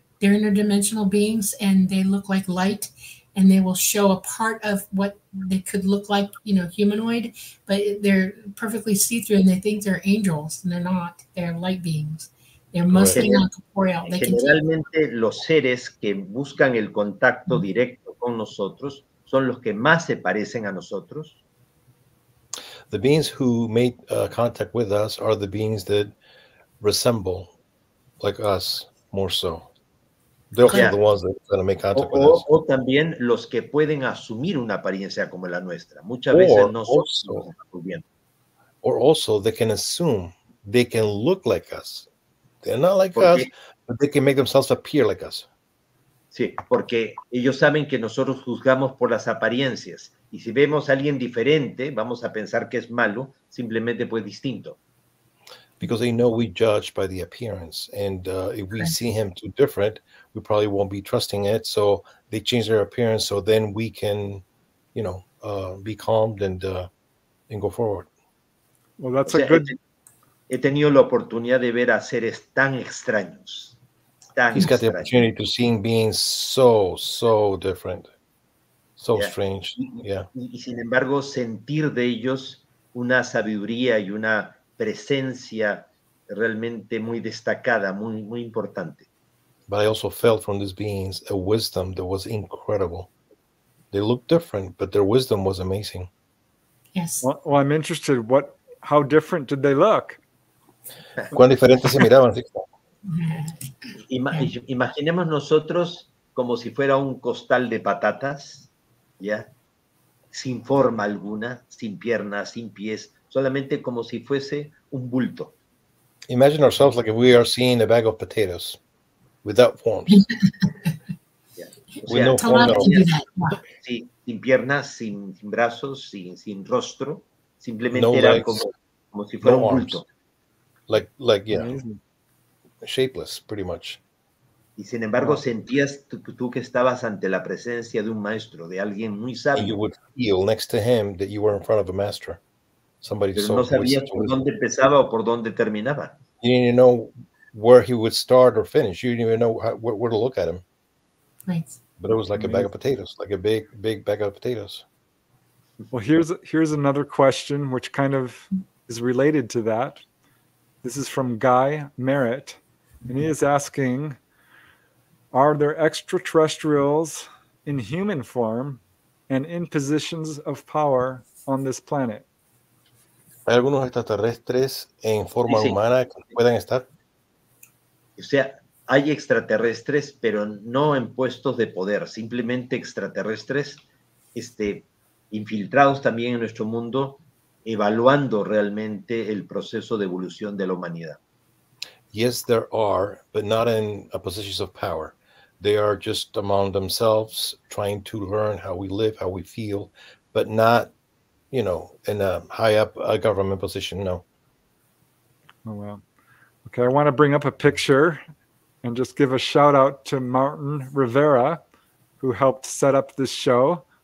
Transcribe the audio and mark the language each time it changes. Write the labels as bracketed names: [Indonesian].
[English] They're interdimensional beings and they look like light and they will show a part of what they could look like, you know, humanoid, but they're perfectly see-through and they think they're angels and they're not. They're light beings. They're mostly non-corporeal. [Spanish] Generalmente, los seres que buscan el contacto directo con nosotros son los que más se parecen a nosotros. [English] The beings who make contact with us are the beings that resemble like us more so. They're also the ones that are going to make contact with us. [Spanish] O también los que pueden asumir una apariencia como la nuestra. Muchas veces no son los que están asumiendo. [English] Or also they can assume, they can look like us. They're not like us, but they can make themselves appear like us. [Spanish] Sí, porque ellos saben que nosotros juzgamos por las apariencias. Y si vemos a alguien diferente, vamos a pensar que es malo, simplemente pues distinto. [English] Because they know we judge by the appearance. And if we see him too different, we probably won't be trusting it. So they change their appearance so then we can, you know, be calmed and go forward. Well, that's good... [Spanish] He tenido la oportunidad de ver a seres tan extraños. [English] He's got the opportunity to see beings so, so different. So strange, [Spanish] Y sin embargo, sentir de ellos una sabiduría y una presencia realmente muy destacada, muy, muy importante. [English] But I also felt from these beings a wisdom that was incredible. They looked different, but their wisdom was amazing. Yes. Well, I'm interested, how different did they look? [Spanish] ¿Cuán diferentes se miraban? Imaginemos nosotros como si fuera un costal de patatas. Sin forma alguna, sin piernas, sin pies, solamente como si fuese un bulto. [English] Imagine ourselves like if we are seeing a bag of potatoes without forms. With no form. [Spanish] Sí, sin piernas, sin brazos, sin rostro, simplemente no era legs, como si fuera no un arms. Bulto. [English] Like shapeless, pretty much. [Spanish] Y sin embargo, sentías tú que estabas ante la presencia de un maestro, de alguien muy sabio. [English] You would feel next to him that you were in front of a master. Somebody [Spanish] pero no sabías por dónde empezaba o por dónde terminaba. [English] You didn't even know where he would start or finish. You didn't even know where to look at him. Nice. But it was like a bag of potatoes, like a big, big bag of potatoes. Well, here's another question, which kind of is related to that. This is from Guy Merritt, and he is asking, are there extraterrestrials in human form and in positions of power on this planet? [Spanish] ¿Hay algunos extraterrestres en forma humana que puedan estar? O sea, hay extraterrestres, pero no en puestos de poder, simplemente extraterrestres infiltrados también en nuestro mundo, evaluando realmente el proceso de evolución de la humanidad. [English] Yes, there are, but not in positions of power. They are just among themselves trying to learn how we live, how we feel, but not, you know, in a high up a government position, no. Oh, wow. Okay, I want to bring up a picture and just give a shout out to Martin Rivera, who helped set up this show.